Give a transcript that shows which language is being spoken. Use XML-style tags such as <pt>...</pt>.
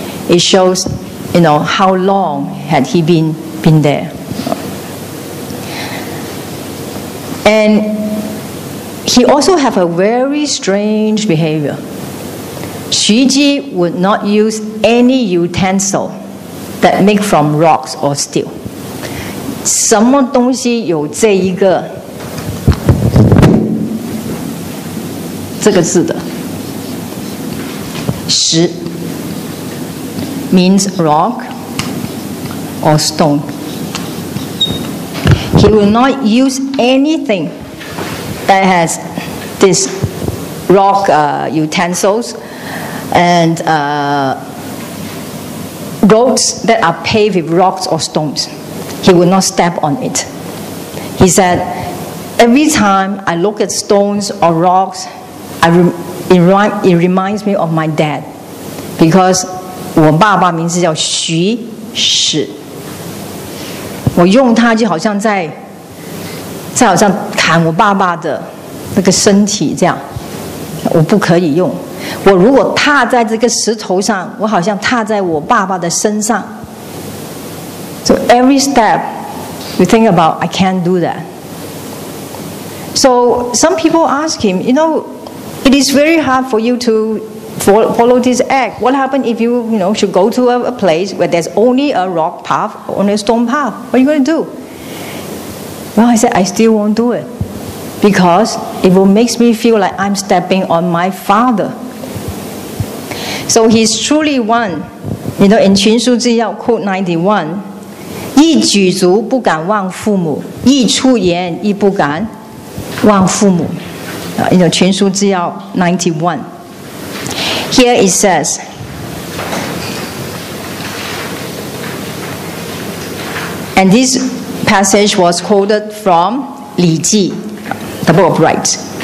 <en>It shows, you know, how long had he been there. And he also have a very strange behavior. Xu Ji would not use any utensil that make from rocks or steel.</en> <zh>什么东西有这一个这个字的石</zh> <en>means rock or stone. He will not use anything that has this rock utensils and roads that are paved with rocks or stones. He will not step on it. He said, every time I look at stones or rocks,It reminds me of my dad, because</en> <zh>我爸爸名字叫徐史。我用它就好像在好像砍我爸爸的那个身体这样，我不可以用。我如果踏在这个石头上，我好像踏在我爸爸的身上。</zh> <en>So every step you think about, I can't do that. So some people ask him, you know. It is very hard for you to follow this act. What happens if you should go to a place where there's only a rock path, only a stone path? What are you going to do? Well, I said, I still won't do it. Because it will make me feel like I'm stepping on my father. So he's truly one. You know, in Qunshu Zhiyao, quote 91,</en> <zh>一举足不敢忘父母，一出言亦不敢忘父母。</zh> <en>You know, 群书之要 91. Here it says, and this passage was quoted from 礼记, the Book of Rites.</en>